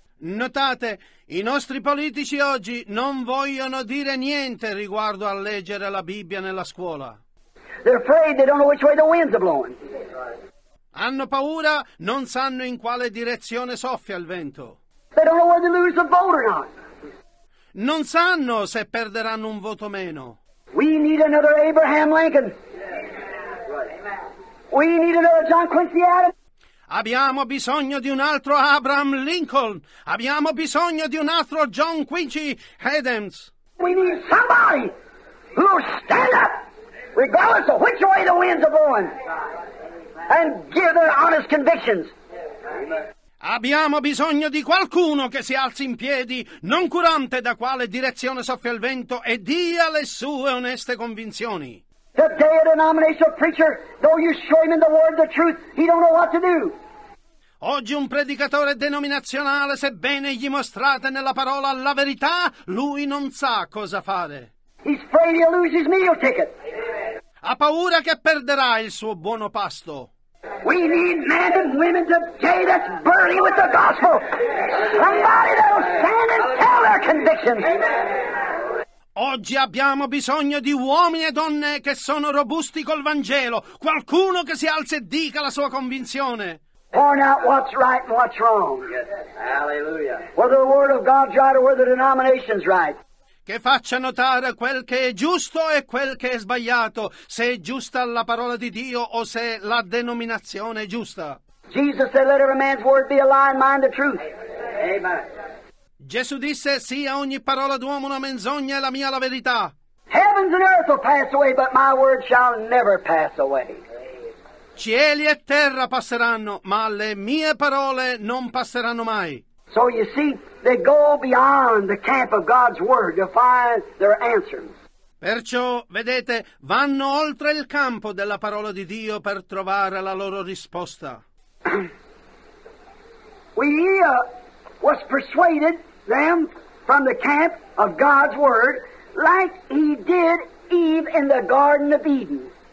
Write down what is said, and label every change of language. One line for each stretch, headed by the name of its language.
Italian: Notate, i nostri politici oggi non vogliono dire niente riguardo a leggere la Bibbia nella scuola.
English: They're afraid they don't know which way the wind's blowing.
Italian: Hanno paura, non sanno in quale direzione soffia il vento.
English: They don't know whether to lose a vote or not.
Italian: Non sanno se perderanno un voto meno.
English: We need another Abraham Lincoln. We need another John Quincy Adams.
Italian: Abbiamo bisogno di un altro Abraham Lincoln. Abbiamo bisogno di un altro John Quincy Adams.
English: We need somebody who will stand up, regardless of which way the winds are blowing, and give their honest convictions.
Italian: Abbiamo bisogno di qualcuno che si alzi in piedi, non curante da quale direzione soffia il vento, e dia le sue oneste convinzioni.
English: The day of the nomination of preacher, though you show him in the word the truth, he don't know what to do.
Italian: Oggi un predicatore denominazionale, sebbene gli mostrate nella parola la verità, lui non sa cosa fare.
English: He's afraid he'll lose his meal ticket.
Italian: Ha paura che perderà il suo buono pasto.
English: We need men and women today that's burning with the gospel. Somebody that'll stand and tell their convictions.
Italian: Oggi abbiamo bisogno di uomini e donne che sono robusti col Vangelo. Qualcuno che si alzi e dica la sua convinzione.
English: Point out what's right and what's wrong. Hallelujah. Whether the word of God's right or whether the denomination's right.
Italian: Che faccia notare quel che è giusto e quel che è sbagliato, se è giusta la parola di Dio o se la denominazione è giusta.
English: Jesus said, let every man's word be a lie and mine the truth. Amen.
Italian: Gesù disse, sia ogni parola d'uomo una menzogna e la mia la verità.
English: Heavens and earth will pass away, but my word shall never pass away.
Italian: Cieli e terra passeranno, ma le mie parole non passeranno mai.
English: So you see, they go beyond the camp of God's word to find their answers.
Italian: Perciò, vedete, vanno oltre il campo della parola di Dio per trovare la loro risposta.
English: We was persuaded them from the camp of God's word, like he did Eve in the Garden of Eden.